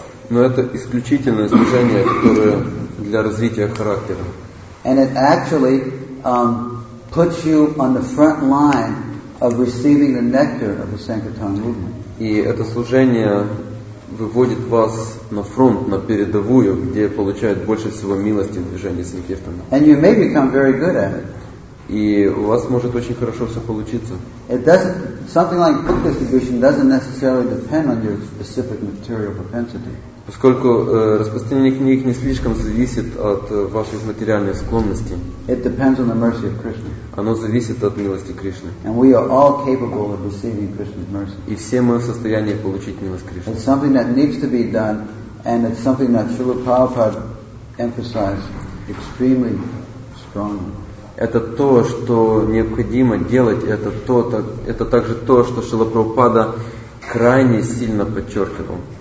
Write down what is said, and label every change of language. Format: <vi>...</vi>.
<ru>Но это исключительное служение, которое для развития характера.</ru> <en>And it actually puts you on the front line of receiving the nectar of the Sankirtan movement.</en> <ru>И это служение выводит вас на фронт, на передовую, где получают больше всего милости в движении Санкиртана.</ru> <en>And you may become very good at it.</en> <ru>И у вас может очень хорошо все получиться.</ru> <en>It doesn't, something like book distribution doesn't necessarily depend on your specific material propensity.</en> <ru>Поскольку распространение книг не слишком зависит от ваших материальных склонностей.</ru> <en>It depends on the mercy of Krishna.</en> <ru>Оно зависит от милости Кришны.</ru> <en>And we are all capable of receiving Krishna's mercy.</en> <ru>И все мы в состоянии получить милость Кришны.</ru> <en>It's something that needs to be done, and it's something that Srila Prabhupada emphasized extremely strongly.</en> <ru>Это то, что необходимо делать, это то, это также то, что Шрила Прабхупада крайне сильно подчеркивал.</ru>